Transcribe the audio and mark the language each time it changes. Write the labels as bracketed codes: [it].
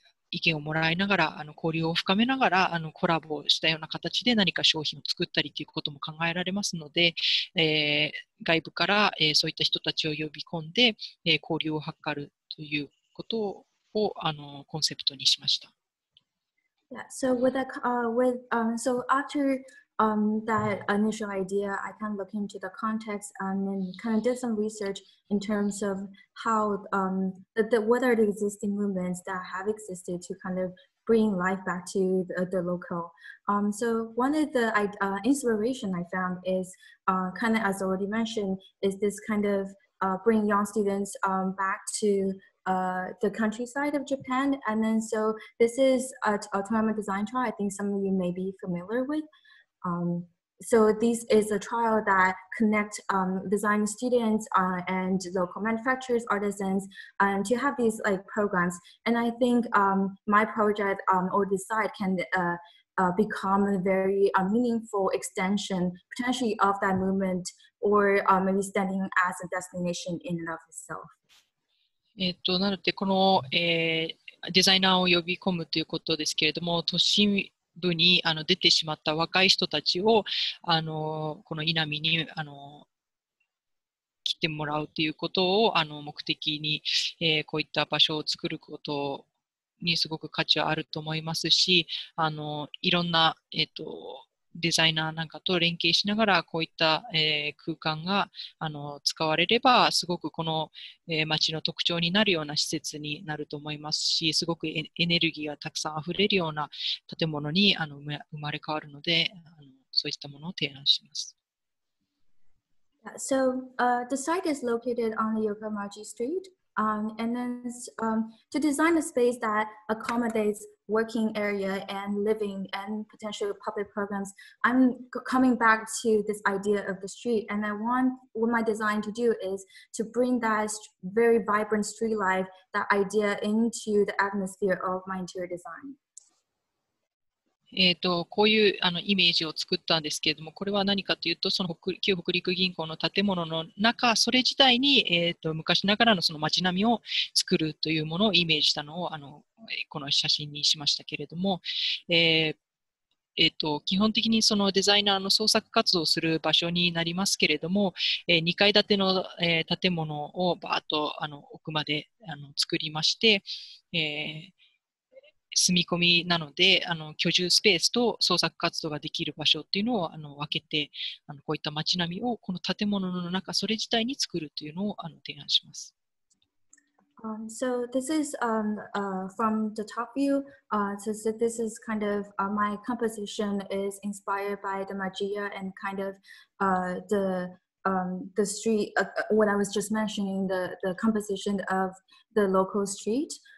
[ja] 意見をもらいながら交流を深めながらコラボしたような形で何か商品を作ったりということも考えられますので、外部から、そういった人たちを呼び込んで、交流を図るということをコンセプトにしました。 [en] Yeah, so with that, so after that initial idea, I kind of look into the context and then kind of did some research in terms of how what are the existing movements that have existed to kind of bring life back to the local. So one of the inspiration I found is kind of as already mentioned is this kind of bring young students back to the countryside of Japan. And then so this is a tournament design trial. I think some of you may be familiar with. So this is a trial that connect design students and local manufacturers, artisans, and to have these like programs. And I think my project or this side can become a very meaningful extension potentially of that movement or maybe standing as a destination in and of itself. [ja] なのでこの、デザイナーを呼び込むということですけれども、都心部に出てしまった若い人たちをこの Inami に来てもらうということを目的に、こういった場所を作ることにすごく価値はあると思いますし、いろんな、デザイナーなんかと連携しながらこういった、空間が使われればすごくこの、町の特徴になるような施設になると思いますし、すごくエネルギーがたくさんあふれるような建物に生まれ変わるので、そういったものを提案します。 [en] So, the site is located on the Yokomachi Street. And then to design a space that accommodates working area and living and potential public programs, I'm coming back to this idea of the street. And I want what my design to do is to bring that very vibrant street life, that idea into the atmosphere of my interior design. [ja] こういうイメージを作ったんですけれども、これは何かというと、その旧北陸銀行の建物の中、それ自体に、昔ながらのその町並みを作るというものをイメージしたのをこの写真にしましたけれども、基本的にそのデザイナーの創作活動をする場所になりますけれども、2階建ての、建物をバーッと奥まで作りまして、住み込みなので居住スペースと創作活動ができる場所っていうのを分けて、こういった街並みをこの建物の中それ自体に作るというのを提案します。 [en] So this is from the top view. So this is kind of my composition is inspired by the Magia and kind of the street what I was just mentioning, the composition of the local street.